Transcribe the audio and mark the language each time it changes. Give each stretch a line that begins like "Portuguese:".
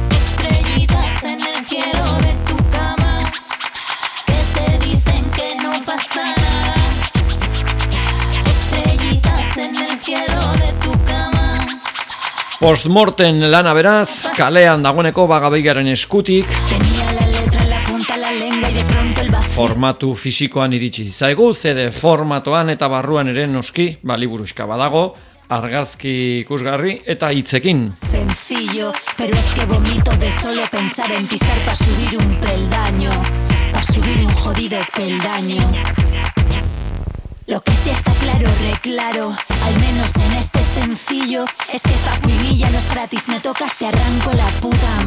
Spanish: Estrellitas en el cielo de tu cama, dicen que no pasará. Estrellitas en el cielo de tu cama.
Basque: Postmorten lana beraz, kalean dagoeneko Bagabigaren eskutik.
Spanish: Tenía la letra, la punta, la lengua y de pronto el vacío.
Basque: Formatu fisikoan iritsi zaigu, CD formatoan eta barruan ere noski, liburuxka badago, argazki ikusgarri eta hitzekin.
Spanish: Sencillo, pero es que vomito de solo pensar en pisar pa subir un peldaño. Subir un jodido peldaño. Lo que sí está claro, reclaro, al menos en este sencillo, es que Facu y Villa no es gratis, me tocas, te arranco la puta.